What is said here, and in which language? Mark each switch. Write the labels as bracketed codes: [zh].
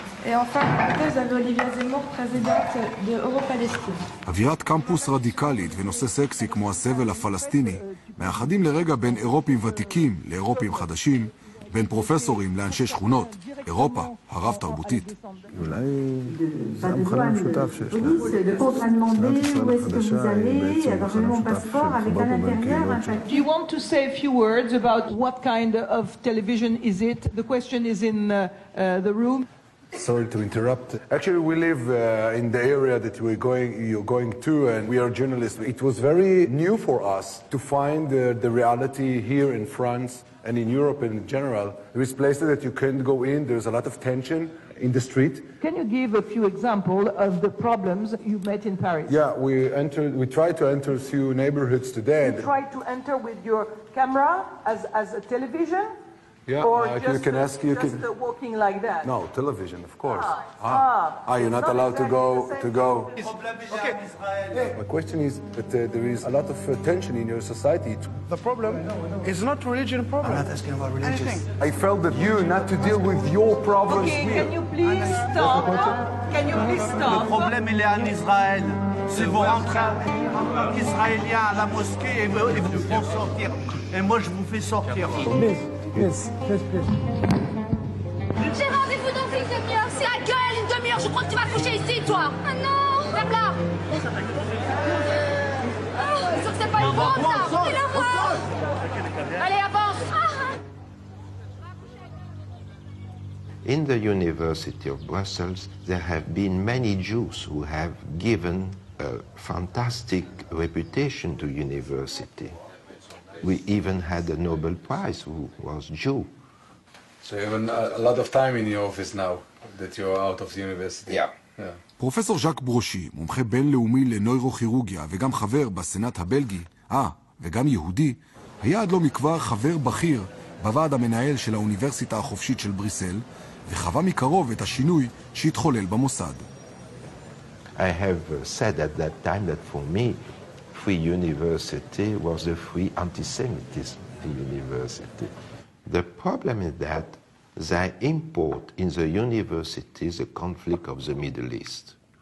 [fr] Et enfin, vous avez Olivia Zemmour, présidente de Europalestine. [he] אווירת קמפוס רדיקלית ונושא סקסי כמו הסבל הפלסטיני מאחדים לרגע בין אירופים ותיקים לאירופים חדשים, בין פרופסורים לאנשי שכונות, אירופה הרב תרבותית. אולי זה המחנה המשותף שיש לה. שאלת ישראל החדשה היא בעצם המחנה המשותף שבא במלכאיות. [en] Do you want to say a few words about what kind of television is it? The question is in the room. Sorry to interrupt. Actually, we live in the area that you're going to, and we are journalists. It was very new for us to find the reality here in France and in Europe in general. There is places that you can't go in. There's a lot of tension in the street. Can you give a few examples of the problems you met in Paris? Yeah, we tried to enter a few neighborhoods today. You tried to enter with your camera as a television? Yeah, or you can ask. You just can walking like that. No, television, of course. Ah, you're not allowed exactly to go. Okay. Yeah. My question is that there is a lot of tension in your society. The problem is not religion problem. I'm not asking about religion. I felt that you not to deal with your problems. Okay, here. Can you please stop? Can you please stop? [fr] Le problème il est en Israël. Si vous rentrez en Israélien à la mosquée et vous faut sortir, et moi je vous fais sortir. [en] Yes. [fr] J'ai rendez-vous dans une demi-heure. C'est la gueule, une demi-heure. Je crois que tu vas coucher ici, toi. Ah non. Ferme là. C'est sûr que c'est pas une bombe, ça. C'est la bombe. Allez, avance. [en] In the University of Brussels, there have been many Jews who have given a fantastic reputation to university. We even had a Nobel Prize who was Jew. So you have a lot of time in your office now that you're out of the university. Yeah. [he] פרופסור ז'אק ברושי, מומחה בינלאומי לנוירוכירורגיה וגם חבר בסנאט הבלגי, וגם יהודי, היה עד לא מכבר חבר בכיר בוועד המנהל של האוניברסיטה החופשית של בריסל, וחווה מקרוב את השינוי שהתחולל במוסד. [en] I have said at that time that for me, free university was a free anti-Semitism university. The problem is that they import in the universities the conflict of the Middle East.